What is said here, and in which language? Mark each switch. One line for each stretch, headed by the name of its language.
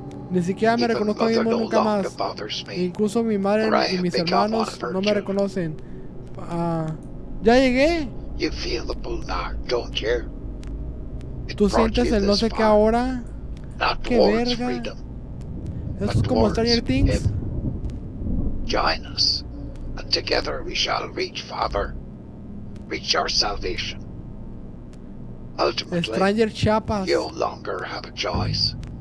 Spanish: Ni siquiera me reconozco a mí mismo nunca más. Incluso mi madre y mis hermanos no me reconocen. Ya llegué.
English: You feel the bullnark, don't you?
Spanish: ¿Tú sientes el no sé qué ahora? ¿Qué verga? ¿Eso es como Stranger Things?
English: Join us, and together we shall reach farther, reach our salvation. Ultimately, Stranger Chiapas. You no longer have a choice.